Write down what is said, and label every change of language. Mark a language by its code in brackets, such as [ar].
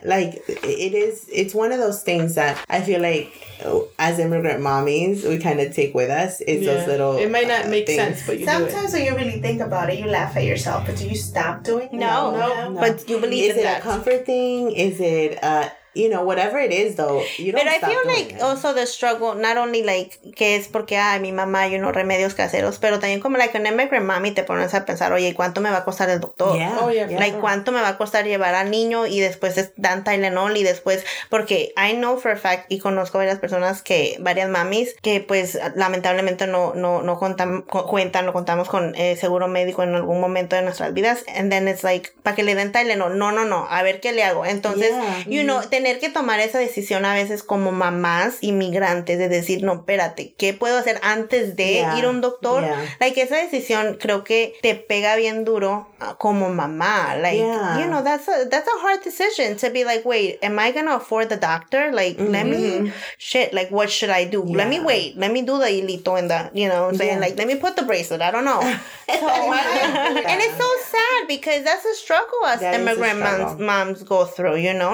[en] like, it is, it's one of those things that I feel like as immigrant mommies, we kind of take with us. It's those little It might not make things. Sense, but you sometimes do it. When you really think about it, you laugh at yourself. But do you stop doing it? No. But you believe is in that. Is it a comfort thing? Is it a... You know, whatever it is, though, you don't stop. But I feel like it. Also the struggle, not only like, [es] que es porque, mi mamá, [en] you know, [es] remedios caseros, pero también como [en] like an immigrant mommy [es] te pones a pensar, oye, ¿cuánto me va a costar el doctor? [en] Yeah. Oh, yeah. [es] Like, ¿cuánto me va a costar llevar al niño? Y después es dan Tylenol y después, porque [en] I know for a fact, [es] y conozco varias personas que, varias mamis, que pues lamentablemente no contamos con seguro médico en algún momento de nuestras vidas. [en] And then it's like, [es] ¿para que le den Tylenol? No, a ver qué le hago. Entonces, tener que tomar esa decisión a veces como mamás inmigrantes de decir, no, espérate, ¿qué puedo hacer antes de ir a un doctor? Yeah. Like, esa decisión creo que te pega bien duro como mamá. [en] Like, you know, that's a hard decision to be like, wait, am I gonna afford the doctor? Like, what should I do? Yeah. Let me wait. Let me do the hilito and the, you know, saying, like, let me put the bracelet. I don't know. And it's so sad because that's a struggle as immigrant moms go through, you know?